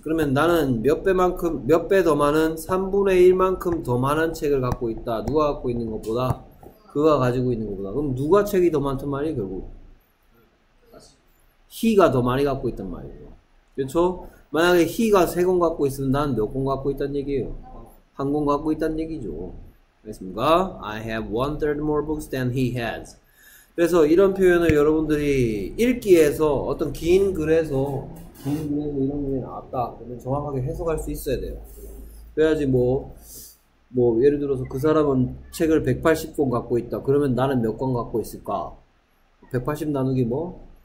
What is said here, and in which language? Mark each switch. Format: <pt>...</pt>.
<ko>그러면 나는 몇배더 많은 3분의 1만큼 더 많은 책을 갖고 있다. 누가 갖고 있는 것보다 그가 가지고 있는 것보다. 그럼 누가 책이 더 많단 말이야, 결국? He가 더 많이 갖고 있단 말이에요. 그렇죠? 만약에 He가 세권 갖고 있으면 난몇권 갖고 있단 얘기예요. 한권 갖고 있단 얘기죠. 알겠습니까?</ko> <en>I have one third more books than he has.</en> <ko>그래서 이런 표현을 여러분들이 읽기에서 어떤 긴 글에서 이런 글이 나왔다 그러면 정확하게 해석할 수 있어야 돼요. 그래야지 뭐 예를 들어서 그 사람은 책을 180권 갖고 있다. 그러면 나는 몇권 갖고 있을까? 180 나누기 뭐?</ko>